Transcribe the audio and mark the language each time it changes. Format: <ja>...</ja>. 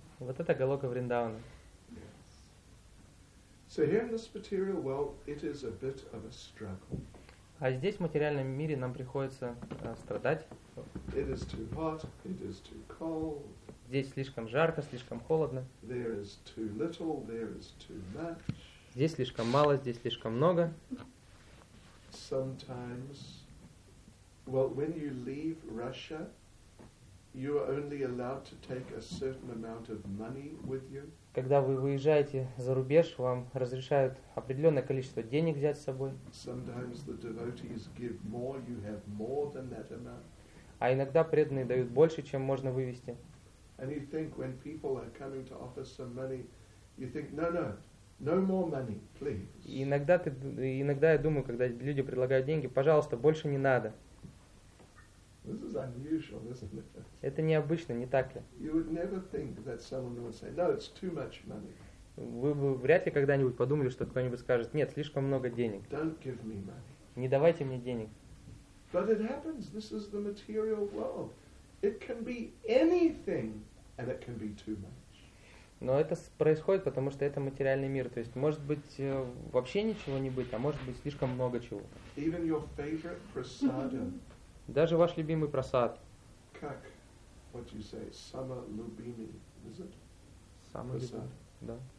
<ru>Вот это Голока Вриндавана.</ru> <en>Yes. So here in this material, well, it is a bit of a struggle.</en> <ru>А здесь, в материальном мире, нам приходится страдать.</ru> <en>It is too hot, it is too cold.</en> <ru>Здесь слишком жарко, слишком холодно.</ru> <en>There is too little, there is too much.</en> <ru>Здесь слишком мало, здесь слишком много.</ru> <en>Sometimes, well, when you leave Russia, you are only allowed to take a certain amount of money with you.</en> <ru>Когда вы выезжаете за рубеж, вам разрешают определенное количество денег взять с собой.</ru> <en>Sometimes the devotees give more, you have more than that amount.</en> <ru>А иногда преданные дают больше, чем можно вывести.</ru> <en>And you think when people are coming to offer some money, you think, no more money, please.</en> <ru>Иногда я думаю, когда люди предлагают деньги, пожалуйста, больше не надо.</ru> <en>This is unusual, isn't it?</en> <ru>Это необычно, не так ли?</ru> <en>You would never think that someone would say, no, it's too much money.</en> <ru>Вы бы вряд ли когда-нибудь подумали, что кто-нибудь скажет, нет, слишком много денег.</ru> <en>Don't give me money.</en> <ru>Не давайте мне денег.</ru> <en>But it happens. This is the material world. It can be anything, and it can be too much.</en> <ru>Но это происходит, потому что это материальный мир. То есть может быть вообще ничего не быть, а может быть слишком много чего.</ru> <en>Even your favorite prasadam.</en> <ru>Даже ваш любимый прасад. Как?</ru> <en>What you say?</en> <ru>Самый любимый,</ru> <en>is it?</en> <ru>Самый прасад. Любимый, да.</ru>